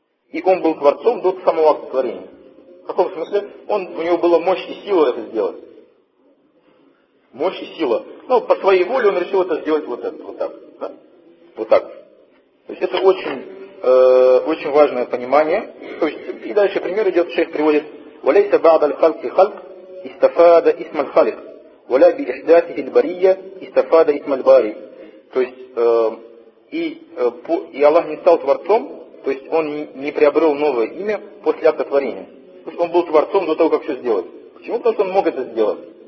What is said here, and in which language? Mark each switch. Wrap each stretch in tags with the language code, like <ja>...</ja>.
<ru>И он был творцом до самого акта творения. В каком смысле? У него была мощь и сила это сделать. Мощь и сила. Но по своей воле он решил это сделать вот, это, вот так. Да? Вот так. То есть это очень важное понимание. То есть, и дальше пример идет, шейх приводит.</ru> <ar>وليس بعد الخلق خلق استفاد اسم الخالق ولا بإحداثه البرية استفاد اسم الباري.</ar> <ru>То есть и Аллах не стал творцом, то есть он не приобрел новое имя после акта творения. То есть он был творцом до того, как все сделать. Почему? Потому что он мог это сделать.</ru>